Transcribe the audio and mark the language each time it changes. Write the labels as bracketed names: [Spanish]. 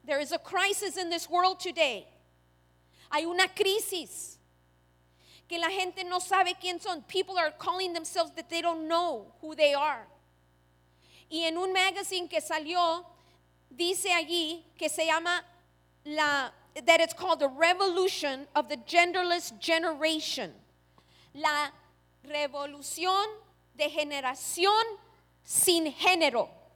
[English] There is a crisis in this world today. [Spanish] Hay una crisis que la gente no sabe quién son. [English] People are calling themselves that they don't know who they are. [Spanish] Y en un magazine que salió, dice allí que se llama la, [English] that it's called the revolution of the genderless generation. [Spanish] La revolución de generación sin género.